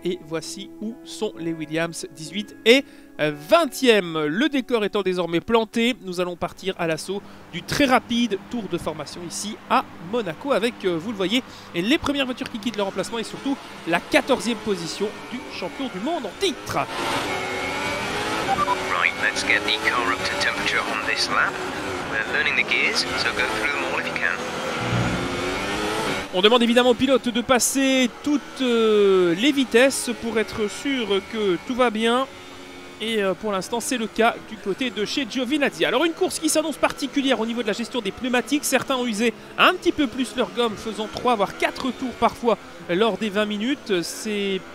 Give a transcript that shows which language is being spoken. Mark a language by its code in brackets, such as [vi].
[fr] Et voici où sont les Williams 18 et 20e. Le décor étant désormais planté, nous allons partir à l'assaut du très rapide tour de formation ici à Monaco avec, vous le voyez, les premières voitures qui quittent leur emplacement et surtout la 14e position du champion du monde en titre. [en] Right, let's get the car up to temperature on this lap. We're learning the gears, so go through them all if you can. [fr] On demande évidemment aux pilotes de passer toutes les vitesses pour être sûr que tout va bien. Et pour l'instant, c'est le cas du côté de chez Giovinazzi. Alors, une course qui s'annonce particulière au niveau de la gestion des pneumatiques. Certains ont usé un petit peu plus leur gomme, faisant 3 voire 4 tours parfois lors des 20 minutes. C'est